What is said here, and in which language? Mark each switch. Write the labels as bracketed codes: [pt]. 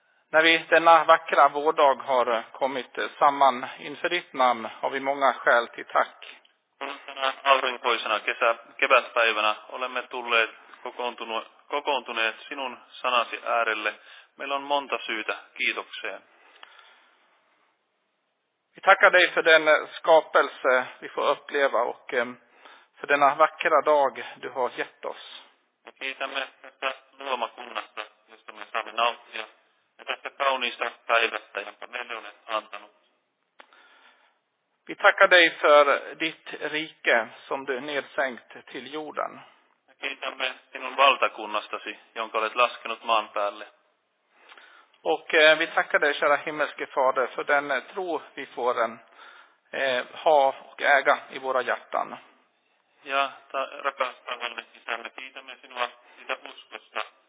[sv] När vi denna vackra vårdag har kommit samman inför ditt namn har vi många skäl till tack. [fi] Aurinkoisena kevätpäivänä olemme tulleet kokoontuneet sinun sanasi äärelle. Meillä on monta syytä kiitokseen. [sv] Vi tackar dig för den skapelse vi får uppleva och för denna vackra dag du har gett oss. [fi] Kiitämme luomakunnasta, josta me saamme nauttia. Tästä kauniista päivästä, jonka meille olet antanut. [sv] Vi tackar dig för ditt rike som du nedsänkt till jorden. [fi] Kiitämme sinun valtakunnastasi, jonka olet laskenut maan päälle. [sv] Och vi tackar dig, kära himmelske Fader, för den tro vi får ha och äga i våra hjärtan. [fi] Ja, rakastavalle isälle, kiitämme sinua sitä uskosta.